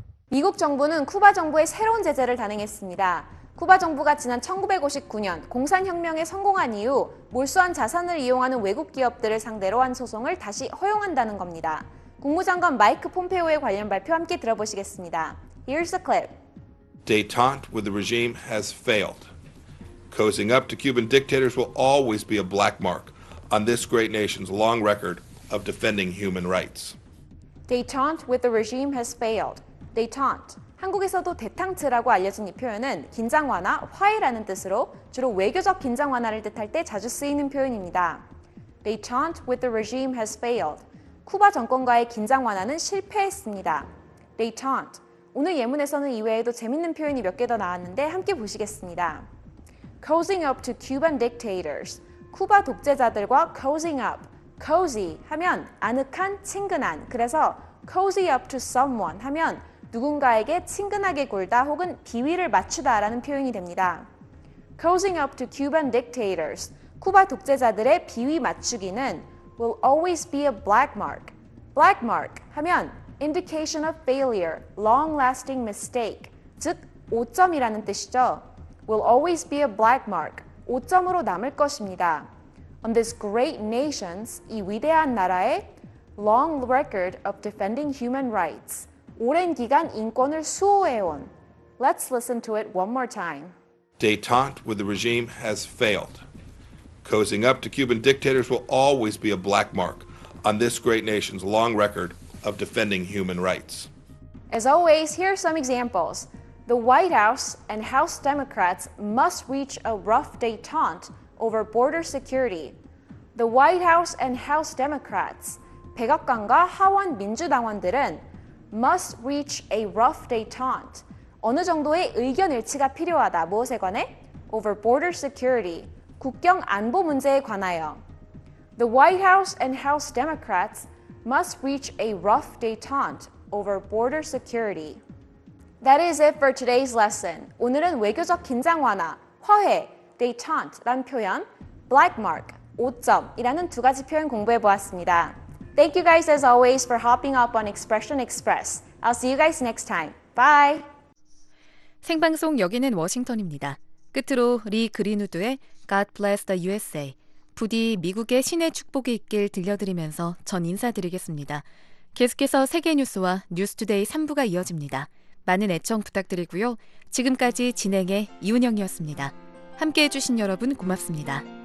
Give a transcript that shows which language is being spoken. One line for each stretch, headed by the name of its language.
Korean: 미국 정부는 쿠바 정부에 새로운 제재를 단행했습니다. 쿠바 정부가 지난 1959년 공산혁명에 성공한 이후 몰수한 자산을 이용하는 외국 기업들을 상대로 한 소송을 다시 허용한다는 겁니다. 국무장관 마이크 폼페오의 관련 발표 함께 들어보시겠습니다.
English: Here's a clip. Détente with the regime has failed. Cozying up to Cuban dictators will always be a black mark on this great nation's long record of defending human rights. Détente with the regime has failed. Détente.
Korean: 한국에서도 대탕트라고 알려진 이 표현은 긴장 완화, 화해라는 뜻으로 주로 외교적 긴장 완화를 뜻할 때 자주 쓰이는 표현입니다.
English: Détente with the regime has failed.
Korean: 쿠바 정권과의 긴장 완화는 실패했습니다.
English: Détente.
Korean: 오늘 예문에서는 이외에도 재밌는 표현이 몇 개 더 나왔는데 함께 보시겠습니다.
English: Cozying up to Cuban dictators.
Korean: 쿠바 독재자들과 cozying up. Cozy 하면 아늑한, 친근한. 그래서
English: cozy up to someone
Korean: 하면 누군가에게 친근하게 굴다 혹은 비위를 맞추다 라는 표현이 됩니다.
English: Cozying up to Cuban dictators.
Korean: 쿠바 독재자들의 비위 맞추기는
English: will always be a black mark. Black mark 하면 indication of failure, long-lasting mistake,
Korean: 즉 오점이라는 뜻이죠.
English: will always be a black mark,
Korean: 오점으로 남을 것입니다.
English: on this great nation's,
Korean: 이 위대한 나라의
English: long record of defending human rights,
Korean: 오랜 기간 인권을 수호해온.
English: Let's listen to it one more time. Détente with the regime has failed. Cozying up to Cuban dictators will always be a black mark on this great nation's long record of defending human rights. As always, here are some examples. The White House and House Democrats must reach a rough détente over border security. The White House and House Democrats,
Korean: 백악관과 하원 민주당원들은
English: must reach a rough détente.
Korean: 어느 정도의 의견 일치가 필요하다. 무엇에 관해?
English: over border security,
Korean: 국경 안보 문제에 관하여.
English: The White House and House Democrats must reach a rough détente over border security. That is it for today's lesson.
Korean: 오늘은 외교적 긴장 완화, 화해, détente란 표현, black mark, 오점이라는 두 가지 표현 공부해 보았습니다.
English: Thank you guys as always for hopping up on Expression Express. I'll see you guys next time. Bye!
Korean: 생방송 여기는 워싱턴입니다. 끝으로 리 그린우드의 God Bless the USA. 부디 미국의 신의 축복이 있길 들려드리면서 전 인사드리겠습니다. 계속해서 세계 뉴스와 뉴스투데이 3부가 이어집니다. 많은 애청 부탁드리고요. 지금까지 진행의 이은영이었습니다. 함께해 주신 여러분 고맙습니다.